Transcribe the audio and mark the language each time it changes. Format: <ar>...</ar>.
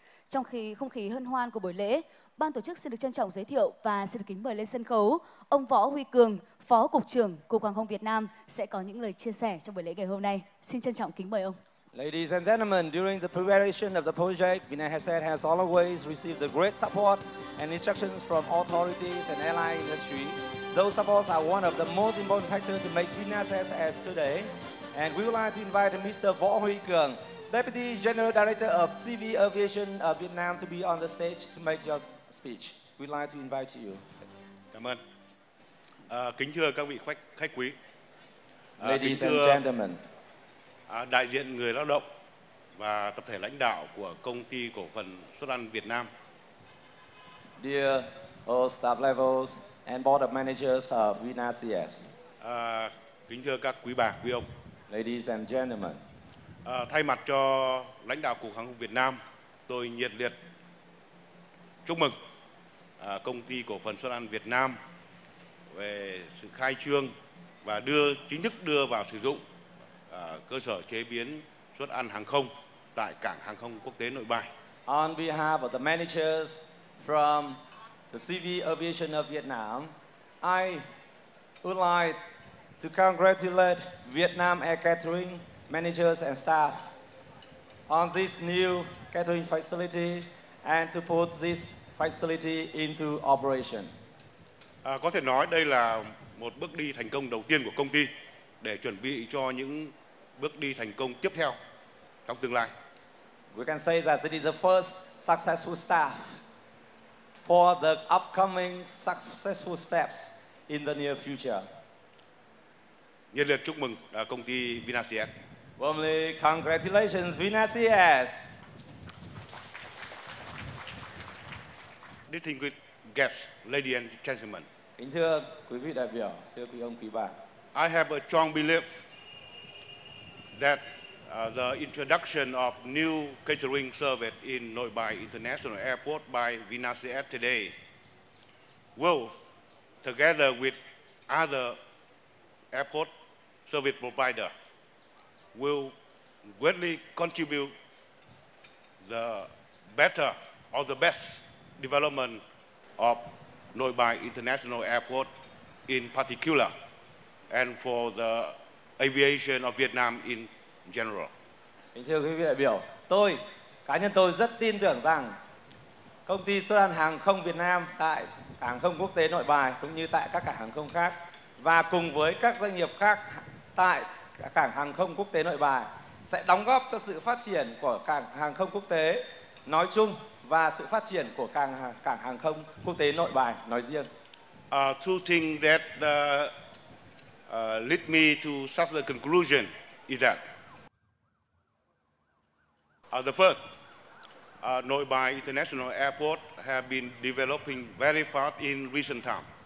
<vi>Trong khi không khí hân hoan của buổi lễ, ban tổ chức xin được trân trọng giới thiệu và xin được kính mời lên sân khấu ông Võ Huy Cường, Phó Cục trưởng Cục Hàng không Việt Nam sẽ có những lời chia sẻ trong buổi lễ ngày hôm nay. Xin trân trọng kính mời ông.</vi> <en>Ladies and gentlemen, during the preparation of the project, VinaCS has always received the great support and instructions from authorities and airline industry. Those supports are one of the most important factors to make VinaCS as today. And we would like to invite Mr. Võ Huy Cường, Deputy General Director of Civil Aviation of Vietnam, to be on the stage to make your speech. We'd like to invite you.</en> <vi>Cảm ơn. Kính thưa các vị khách quý.</vi> <en>Ladies and gentlemen.</en> <vi>Đại diện người lao động và tập thể lãnh đạo của công ty cổ phần Xuất ăn Việt Nam.</vi> <en>Dear all staff levels and board of managers of VinaCS.</en> <vi>Kính thưa các quý bà, quý ông.</vi> <en>Ladies and gentlemen.</en> <vi>Thay mặt cho lãnh đạo Cục Hàng không Việt Nam, tôi nhiệt liệt chúc mừng công ty cổ phần Xuất ăn Việt Nam về sự khai trương và chính thức đưa vào sử dụng cơ sở chế biến suất ăn hàng không tại cảng hàng không quốc tế Nội Bài.</vi> <en>On behalf of the managers from the Civil Aviation of Vietnam, I would like to congratulate Vietnam Air Catering managers and staff on this new catering facility and to put this facility into operation.</en> <vi>Có thể nói đây là một bước đi thành công đầu tiên của công ty để chuẩn bị cho những bước đi thành công tiếp theo trong tương lai.</vi> <en>We can say that this is the first successful step for the upcoming successful steps in the near future.</en> <vi>Nhiệt liệt chúc mừng công ty VinaCS.</vi> <en>Warmly congratulations VinaCS. Distinguished guests, ladies and gentlemen.</en> <vi>Kính thưa quý vị đại biểu, thưa quý ông quý bà.</vi> <en>I have a strong belief that the introduction of new catering service in Nội Bài International Airport by VinaCS today will, together with other airport service provider will greatly contribute the better or the best development of Nội Bài International Airport in particular and for the aviation of Vietnam in general.</en> <vi>Thưa quý vị đại biểu, tôi, cá nhân tôi rất tin tưởng rằng công ty Sudan Hàng không Việt Nam tại hàng không quốc tế Nội Bài cũng như tại các cảng hàng không khác và cùng với các doanh nghiệp khác tại cảng hàng không quốc tế Nội Bài sẽ đóng góp cho sự phát triển của cảng hàng không quốc tế nói chung và sự phát triển của cảng hàng không quốc tế Nội Bài nói riêng.</vi> <en>Two things that lead me to such a conclusion is that the first, Nội Bài International Airport have been developing very fast in recent time.</en>